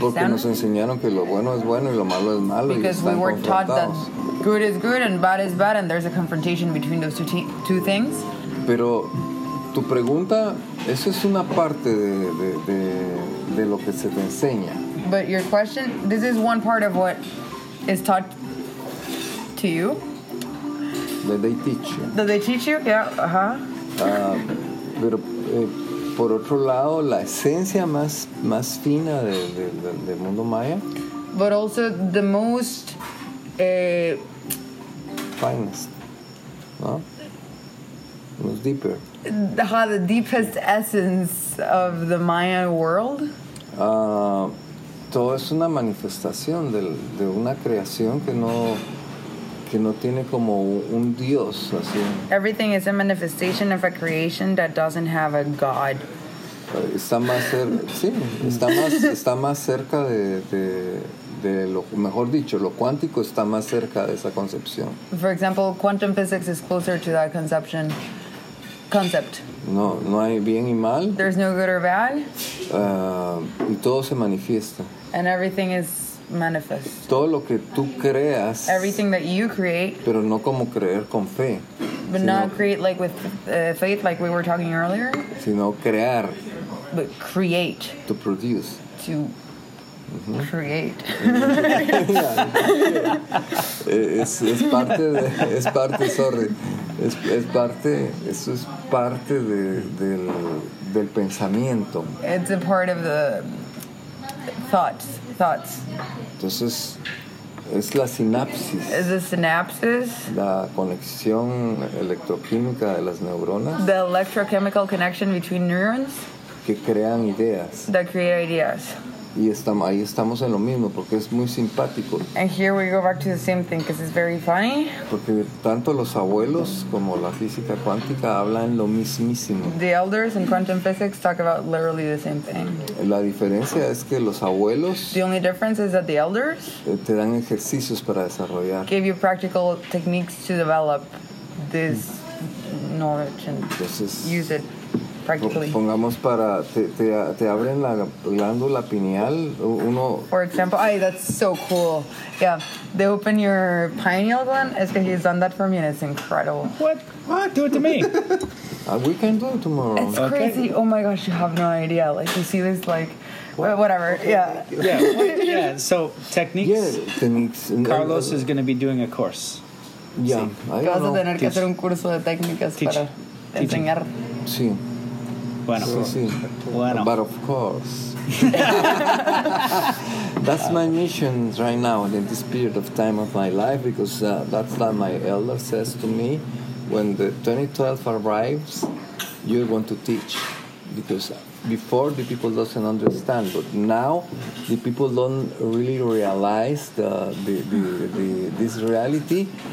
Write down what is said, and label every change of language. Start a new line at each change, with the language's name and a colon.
Spanish: Porque nos enseñaron que lo bueno es bueno y lo malo es malo.
English: Because we were taught that good is good and bad is bad, and there's a confrontation between those two things.
Spanish: Pero tu pregunta, eso es una parte de lo que se te enseña.
English: But your question, this is one part of what is taught to you. That they teach you. That they teach you? Yeah, uh-huh.
Spanish: Pero por otro lado, la esencia más fina del mundo maya.
English: But also the most finest, no? Most deeper. The deepest essence of the Maya world.
Spanish: Todo es una manifestación de una creación que no tiene como un dios así.
English: Everything is a manifestation of a creation that doesn't have a god.
Spanish: Está más cerca de lo mejor dicho, lo cuántico está más cerca de esa concepción.
English: For example, quantum physics is closer to that concept.
Spanish: No hay bien y mal.
English: There's no good or bad.
Spanish: Y todo se manifiesta.
English: And everything is manifest.
Spanish: Todo lo que tú creas.
English: Everything that you create.
Spanish: Pero no como creer con fe.
English: But
Spanish: sino,
English: not create like with faith, like we were talking earlier.
Spanish: Sino crear.
English: But create. To produce. To mm-hmm. create.
Spanish: es parte de, es parte,
English: sorry.
Spanish: Es parte, eso es parte de, del, del pensamiento.
English: It's a part of the thoughts.
Spanish: Entonces, es la sinapsis.
English: Is the synapses.
Spanish: La conexión electroquímica de las neuronas.
English: The electrochemical connection between neurons.
Spanish: Que crean ideas.
English: That create ideas.
Spanish: Y ahí estamos en lo mismo, porque es muy simpático.
English: And here we go back to the same thing, because it's very funny.
Spanish: Porque tanto los abuelos como la física cuántica hablan lo mismísimo.
English: The elders in quantum physics talk about literally the same thing.
Spanish: La diferencia es que los abuelos...
English: The only difference is that the elders...
Spanish: Te dan ejercicios para desarrollar.
English: Give you practical techniques to develop this knowledge and
Spanish: entonces,
English: use it.
Spanish: Pongamos para te abren la glándula pineal uno.
English: For example, ay, that's so cool. Yeah, they open your pineal gland.
Spanish: Es que
English: he's done that for me, and it's incredible. What? Do it to me. We can do it tomorrow. It's okay. Crazy. Oh my gosh, you have no idea. Like you see this, like what? Whatever. Okay. Yeah. Yeah. What? Yeah. So techniques. Yeah, techniques. Carlos is going to be doing a course. Yeah.
Spanish: Sí. Vas a tener que hacer un curso de técnicas para enseñar. Sí. Bueno. Sí, sí. Bueno.
English: But of course. That's my mission right now in this period of time of my life, because that's what my elder says to me. When the 2012 arrives, you're going to teach. Because before, the people doesn't understand. But now, the people don't really realize the this reality.